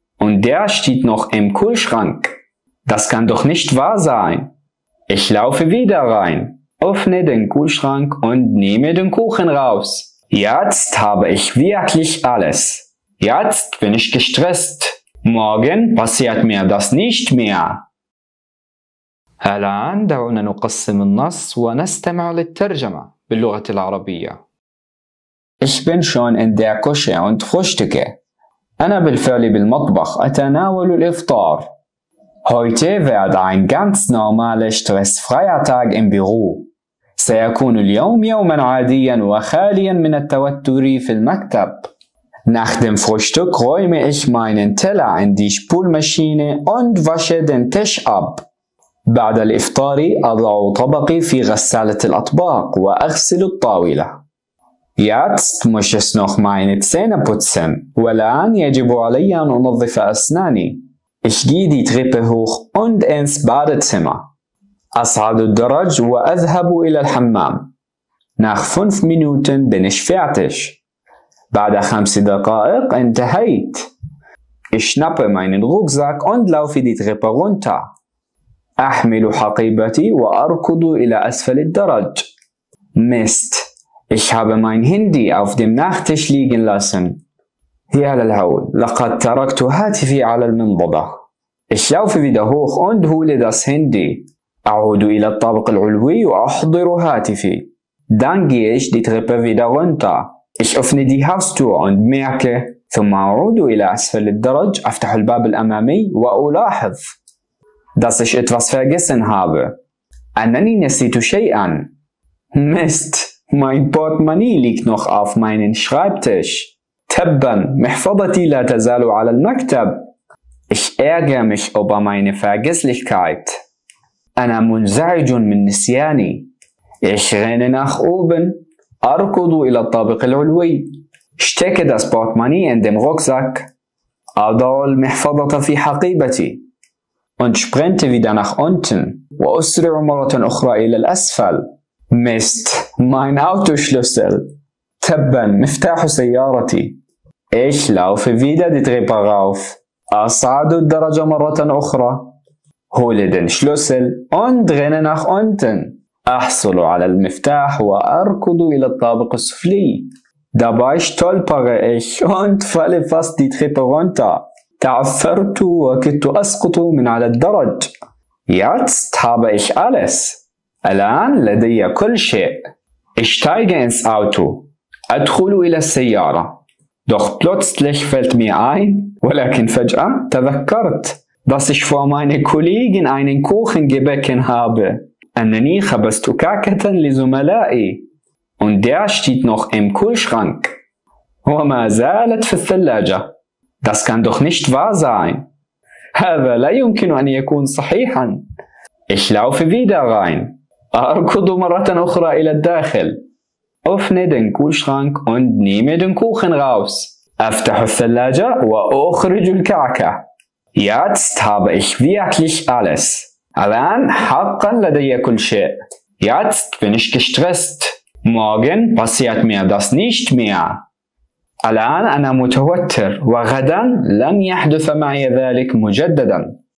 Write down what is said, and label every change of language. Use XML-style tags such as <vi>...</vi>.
<de>Und der steht noch im Kühlschrank. Das kann doch nicht wahr sein. Ich laufe wieder rein, öffne den Kühlschrank und nehme den Kuchen raus. Jetzt habe ich wirklich alles. Jetzt bin ich gestresst. Morgen passiert mir das nicht mehr.</de> <ar>الآن دعونا نقسم النص ونستمع للترجمة باللغة العربية.</ar> <de>Ich bin schon in der Küche und frühstücke.</de> <ar>أنا بالفعل بالمطبخ أتناول الإفطار.</ar> <de>Heute wird ein ganz normaler stressfreier Tag im Büro.</de> <ar>سيكون اليوم يوما عاديا وخاليا من التوتر في المكتب.</ar> <de>Nach dem Frühstück räume ich meinen Teller in die Spülmaschine und wasche den Tisch ab.</de> <ar>بعد الإفطار أضع طبقي في غسالة الأطباق وأغسل الطاولة.</ar> <de>Jetzt muss ich noch meine Zähne putzen.</de> <ar>والآن يجب علي أن أنظف أسناني.</ar> <de>Ich gehe die Treppe hoch und ins Badezimmer.</de> <ar>أصعد الدرج وأذهب إلى الحمام.</ar> <de>Nach 5 Minuten bin ich fertig.</de> <ar>بعد 5 دقائق انتهيت.</ar> <de>Ich schnappe meinen Rucksack und laufe die Treppe runter.</de> <ar>أحمل حقيبتي وأركض إلى أسفل الدرج.</ar> <de>Mist. Ich habe mein Handy auf dem Nachttisch liegen lassen.</de> <ar>يا للهول. لقد تركت هاتفي على المنضدة.</ar> <de>Ich laufe wieder hoch und hole das Handy.</de> <ar>أعود إلى الطابق العلوي وأحضر هاتفي.</ar> <de>Dann gehe ich die Treppe wieder runter. Ich öffne die Haustür und merke.</de> <ar>ثم أعود إلى أسفل الدرج. أفتح الباب الأمامي وألاحظ.</ar> <de>Dass ich etwas vergessen habe.</de> <ar>أنني نسيت شيئا.</ar> <de>Mist. Mein Portemonnaie liegt noch auf meinem Schreibtisch.</de> <ar>تبا. محفظتي لا تزال على المكتب.</ar> <de>Ich ärgere mich über meine Vergesslichkeit.</de> <ar>أنا منزعج من نسياني.</ar> <de>Ich renne nach oben.</de> <ar>أركض إلى الطابق العلوي.</ar> <de>Stecke das Portemonnaie in dem Rucksack.</de> <ar>أضع المحفظة في حقيبتي.</ar> <de>Und sprinte wieder nach unten.</de> <ar>وأسرع مرة أخرى إلى الأسفل.</ar> <de>Mist, mein Autoschlüssel.</de> <ar>تبا, مفتاح سيارتي.</ar> <de>Ich laufe wieder die Treppe rauf.</de> <ar>أصعد الدرجة مرة أخرى.</ar> <de>Hole den Schlüssel und renne nach unten.</de> <ar>أحصل على المفتاح وأركض إلى الطابق السفلي.</ar> <de>Dabei stolpere ich und falle fast die Treppe runter.</de> <ar>تعثرت وكدت أسقط من على الدرج.</ar> <de>Jetzt habe ich alles.</de> <ar>الآن لدي كل شيء.</ar> <de>Ich steige ins Auto.</de> <ar>أدخل إلى السيارة.</ar> <de>Doch plötzlich fällt mir ein.</de> <ar>ولكن فجأة تذكرت.</ar> <de>Dass ich vor meine Kollegen einen Kuchen gebacken habe.</de> <ar>أنني خبزت كعكة لزملائي.</ar> <de>Und der steht noch im Kühlschrank.</de> <ar>وما زالت في الثلاجة.</ar> <de>Das kann doch nicht wahr sein.</de> <ar>هذا لا يمكن أن يكون صحيحا.</ar> <de>Ich laufe wieder rein.</de> <ar>أركض مرة أخرى إلى الداخل.</ar> <de>Öffne den Kühlschrank und nehme den Kuchen raus.</de> <ar>أفتح الثلاجة وأخرج الكعكة.</ar> <de>Jetzt habe ich wirklich alles.</de> <ar>الآن حقا لدي كل شيء.</ar> <de>Jetzt bin ich gestresst. Morgen passiert mir das nicht mehr.</de> <ar>الآن أنا متوتر وغدا لن يحدث معي ذلك مجددا.</ar>